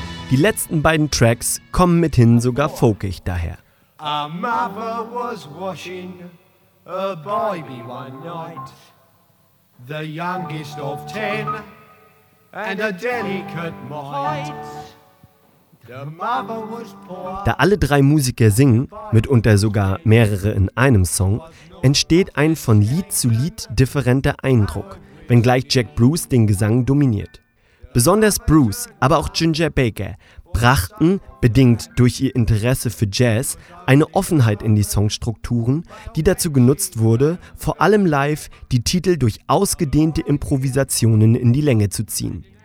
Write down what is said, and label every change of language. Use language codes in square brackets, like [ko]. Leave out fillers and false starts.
[de] Die letzten beiden Tracks kommen mithin sogar folkig daher. [en] A mother was washing a baby one night. The youngest of ten and a delicate mind. The mother was poor. [de] Da alle drei Musiker singen, mitunter sogar mehrere in einem Song, entsteht ein von Lied zu Lied differenter Eindruck, wenngleich Jack Bruce den Gesang dominiert. Besonders Bruce, aber auch Ginger Baker, brachten, bedingt durch ihr Interesse für Jazz, eine Offenheit in die Songstrukturen, die dazu genutzt wurde, vor allem live die Titel durch ausgedehnte Improvisationen in die Länge zu ziehen.